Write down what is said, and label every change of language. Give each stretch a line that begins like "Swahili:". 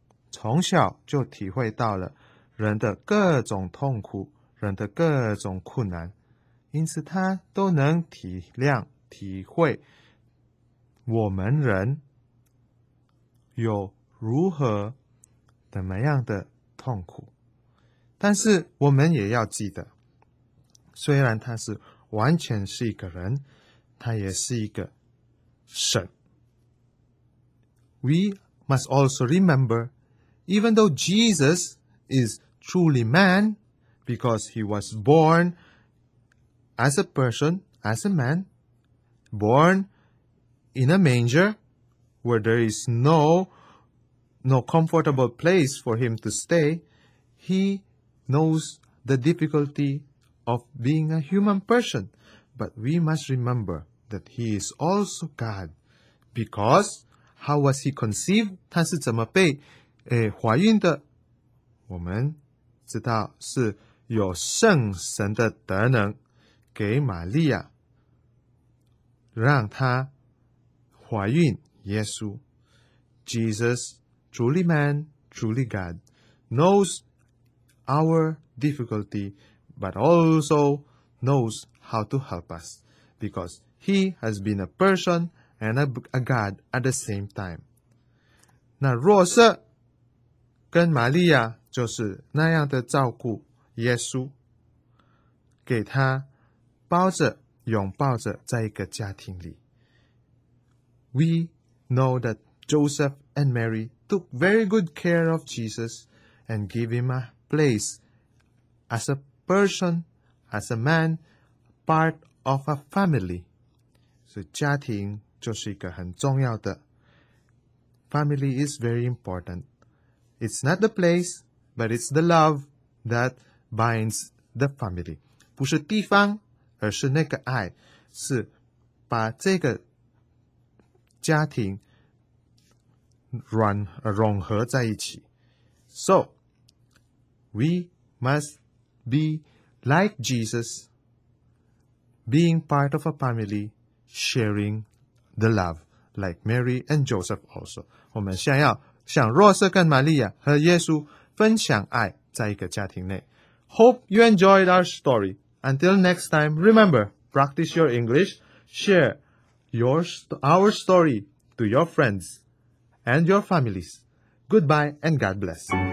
Chinese: 从小就体会到了人的各种痛苦，人的各种困难，因此他都能体谅体会我们人有如何怎么样的痛苦。但是我们也要记得，虽然他是完全是一个人，他也是一个神。
English: We must also rememberEven though Jesus is truly man, because he was born as a person, as a man, born in a manger where there is no comfortable place for him to stay, he knows the difficulty of being a human person. But we must remember that he is also God, because how was he conceived?
Chinese: 他是怎么被怀孕的，我们知道是有圣神的德能给玛利亚，让她怀孕耶稣。
English: Jesus, truly man, truly God, knows our difficulty, but also knows how to help us, because he has been a person and a God at the same time.
Chinese: 那若瑟跟玛利亚就是那样的照顾耶稣，给他包着拥抱着在一个家庭里。
English: We know that Joseph and Mary took very good care of Jesus and gave him a place as a person, as a man, part of a family.
Chinese: 所以家庭就是一个很重要的，
English: Family is very importantIt's not the place, but it's the love that binds the family.
Chinese: 不是地方，而是那个爱，是把这个家庭融合在一起。
English: So, we must be like Jesus, being part of a family, sharing the love, like Mary and Joseph also.
Chinese: 我们想要像若瑟跟玛利亚和耶稣分享爱在一个家庭内。
English: Hope you enjoyed our story. Until next time, remember, practice your English. Share our story to your friends and your families. Goodbye and God bless.